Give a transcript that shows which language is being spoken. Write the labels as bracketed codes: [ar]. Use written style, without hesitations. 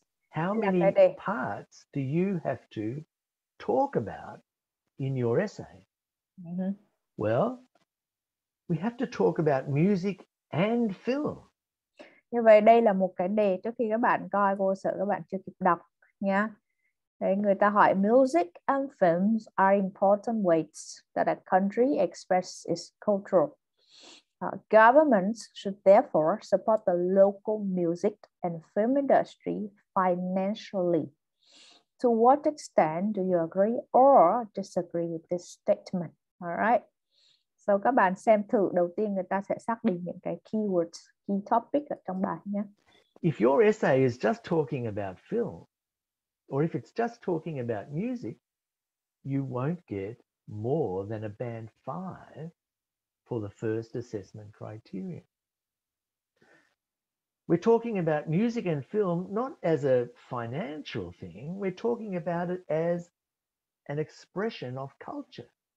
[en] How many parts do you have to talk about in your essay? Mm-hmm. Well, we have to talk about music and film. [vi] Như vậy đây là một cái đề trước khi các bạn coi vô sở các bạn chưa kịp đọc nhá. Đấy, người ta hỏi [en] music and films are important ways that a country expresses its culture. Governments should therefore support the local music and film industry financially. To what extent do you agree or disagree with this statement? All right. [vi] So các bạn xem thử, đầu tiên người ta sẽ xác định những cái keywords, key topic ở trong bài nhé. [en] If your essay is just talking about film, or if it's just talking about music, you won't get more than a band 5 for the first assessment criterion. We're talking about music and film not as a financial thing, we're talking about it as an expression of culture.